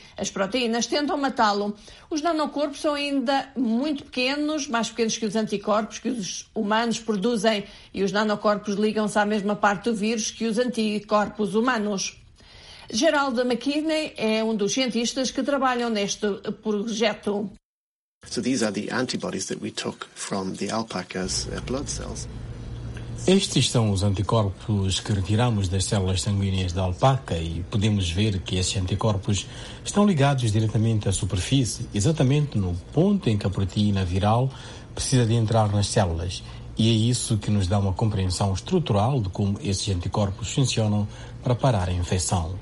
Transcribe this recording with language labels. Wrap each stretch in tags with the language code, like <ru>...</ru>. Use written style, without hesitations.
<pt>As proteínas tentam matá-lo. Os nanocorpos são ainda muito pequenos, mais pequenos que os anticorpos que os humanos produzem, e os nanocorpos ligam-se à mesma parte do vírus que os anticorpos humanos. Gerald McKinney é um dos cientistas que trabalham neste projeto.</pt> <en>So these are the antibodies that we took from the alpacas' blood cells.</en> <pt>Estes são os anticorpos que retiramos das células sanguíneas da alpaca e podemos ver que esses anticorpos estão ligados diretamente à superfície, exatamente no ponto em que a proteína viral precisa de entrar nas células. E é isso que nos dá uma compreensão estrutural de como esses anticorpos funcionam para parar a infecção.</pt>